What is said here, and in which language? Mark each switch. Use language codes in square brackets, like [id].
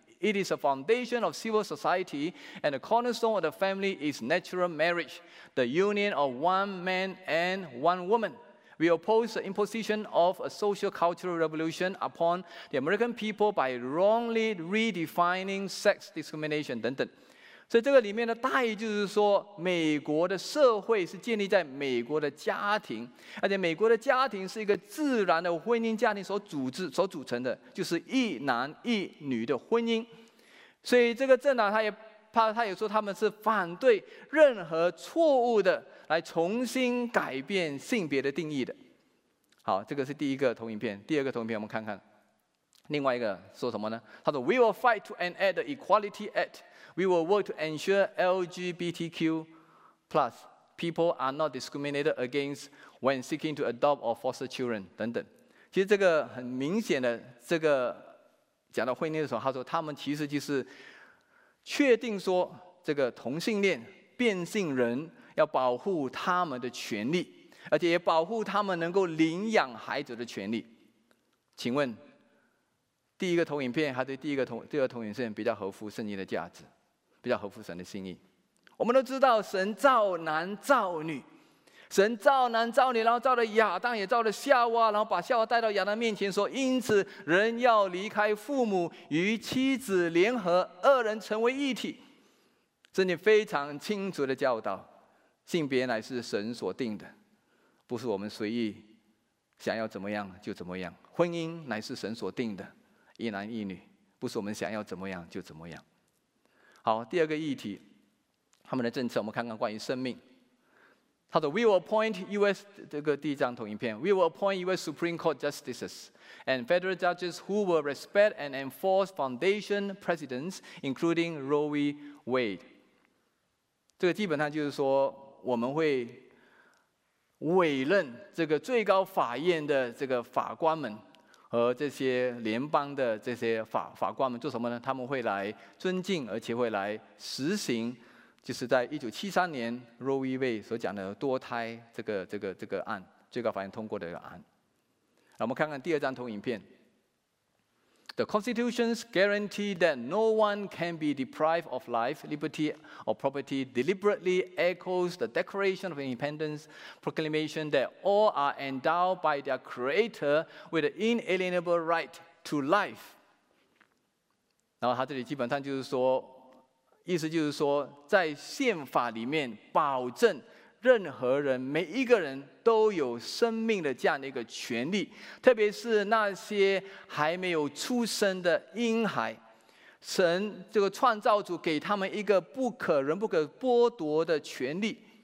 [en] It is a foundation of civil society and the cornerstone of the family is natural marriage, the union of one man and one woman. We oppose the imposition of a social cultural revolution upon the American people by wrongly redefining sex discrimination [zh] 等等。所以这个里面的大意就是说，美国的社会是建立在美国的家庭，而且美国的家庭是一个自然的婚姻家庭所组成的，就是一男一女的婚姻。所以这个政党他也说他们是反对任何错误的来重新改变性别的定义的。好，这个是第一个投影片。第二个投影片我们看看另外一个说什么呢，他说 [en] We will fight to enact the Equality Act. We will work to ensure LGBTQ plus people are not discriminated against when seeking to adopt or foster children [zh] 等等。其实这个很明显的，这个讲到婚姻的时候，他说他们其实就是确定说这个同性恋变性人要保护他们的权利，而且也保护他们能够领养孩子的权利。请问第一个投影片还是第二个投影片比较合乎圣经的价值，比较合乎神的心意？我们都知道神造男造女，神造男造女，然后造了亚当也造了夏娃，然后把夏娃带到亚当面前说，因此人要离开父母与妻子联合，二人成为一体。圣经非常清楚的教导，性别乃是神所定的，不是我们随意想要怎么样就怎么样。婚姻乃是神所定的，一男一女，不是我们想要怎么样就怎么样。好，第二个议题，他们的政策，我们看看关于生命。他说 [en] We will appoint U.S. [zh] 这个第一张投影片 [en] We will appoint U.S. Supreme Court Justices and Federal Judges who will respect and enforce Foundation Precedents including Roe v. Wade。 [zh] 这个基本上就是说我们会委任这个最高法院的这个法官们和这些联邦的这些 法官们做什么呢？他们会来尊敬而且会来实行，就是在1973年 Roe v. Wade 所讲的多胎这个案，最高法院通过的一个案。我们看看第二张投影片， [en] The Constitution guarantees that no one can be deprived of life, liberty, or property. Deliberately echoes the Declaration of Independence proclamation that all are endowed by their Creator with an inalienable right to life. [zh] 然后他这里基本上就是说，意思就是说，在宪法里面保证。任何人，每一个人都有生命的这样的一个权利，特别是那些还没有出生的婴孩。神这个创造主给他们一个不可人不可剥夺的权利。